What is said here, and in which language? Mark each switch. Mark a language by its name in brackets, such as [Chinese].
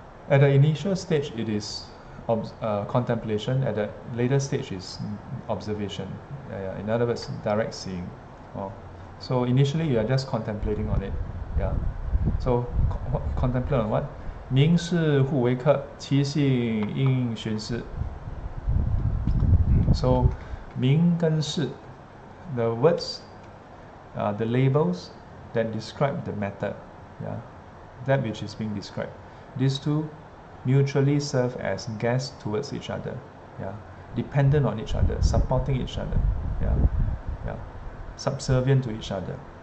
[English] At the initial stage, it is contemplation. At the later stage, it is observation. In other words, direct seeing. Oh. So initially, you are just contemplating on it. Yeah. So, contemplate on what? [Chinese] 明是互为客, 其性应寻思. [English] So, 明跟是, the words, the labels that describe the matter, yeah, that which is being described. These two mutually serve as guests towards each other, yeah, dependent on each other, supporting each other, yeah, yeah, subservient to each other.